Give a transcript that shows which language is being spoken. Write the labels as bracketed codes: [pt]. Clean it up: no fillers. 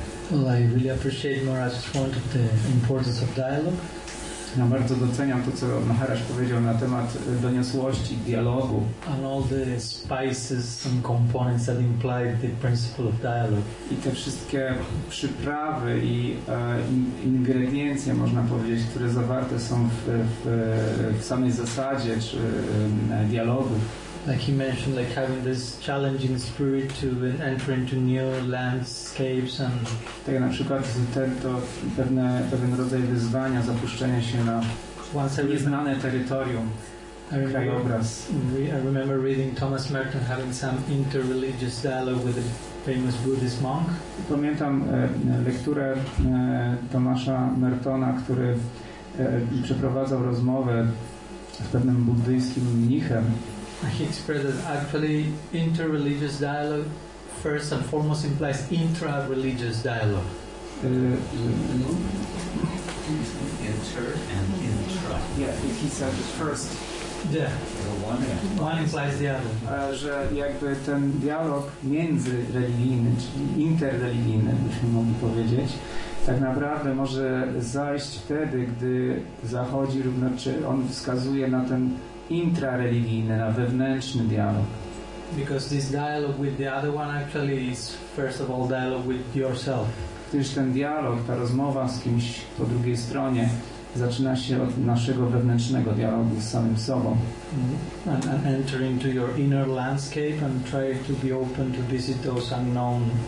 [en] Well, I really appreciate Maharaj's point of the importance of dialogue. [pl] Ja bardzo doceniam to, co Maharaj powiedział na temat doniosłości, dialogu. [en] And all the spices and components that imply the principle of dialogue. [pl] I te wszystkie przyprawy i ingrediencje, można powiedzieć, które zawarte są w samej zasadzie czy dialogu. [en] Like he mentioned, like having this challenging spirit to enter into new landscapes and. [pl] Tak na przykład to pewien rodzaj wyzwania, zapuszczenia się na nieznane terytorium, krajobraz. [en] I remember reading Thomas Merton having some interreligious dialogue with a famous Buddhist monk. [pl] Pamiętam lekturę Tomasza Mertona, który przeprowadzał rozmowę z pewnym buddyjskim mnichem. [en] He expressed that actually interreligious dialogue first and foremost implies intra-religious dialogue. Inter and intra. Yeah, he said it first. Yeah. One implies the other. [pl] Że jakby ten dialog międzyreligijny, czyli interreligijny, byśmy mogli powiedzieć, tak naprawdę może zajść wtedy, gdy zachodzi, znaczy on wskazuje na ten intrareligijny, na wewnętrzny dialog. [en] Because this dialogue with the other one actually is first of all dialogue with yourself. [pl] Gdyż ten dialog, ta rozmowa z kimś po drugiej stronie zaczyna się od naszego wewnętrznego dialogu z samym sobą. Mm-hmm. [en] And enter into your inner landscape and try to be open to visit those unknown